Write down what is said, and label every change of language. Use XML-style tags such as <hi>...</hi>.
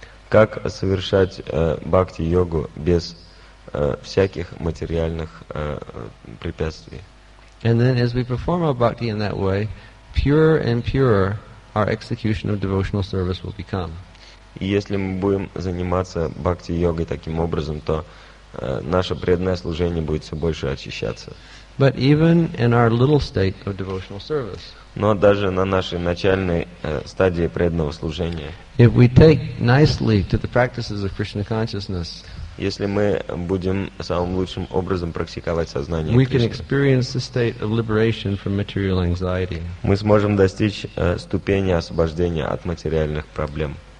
<ru>Как совершать бхакти йогу без всяких материальных препятствий.</ru> <en>And then as we perform our bhakti in that way, purer and purer our execution of devotional service will become.</en> <ru>И если мы будем заниматься бхакти йогой таким образом, то наше преданное служение будет все больше очищаться.</ru> <en>But even in our little state of devotional service.</en> <ru>Но даже на нашей начальной стадии преданного служения.</ru> <en>If we take nicely to the practices of Krishna consciousness.</en> <ru>Если мы будем самым лучшим образом практиковать сознание</ru> <en>Кришны, we can experience the state of liberation from material anxiety.</en> <ru>Мы сможем достичь ступени освобождения от материальных проблем.</ru>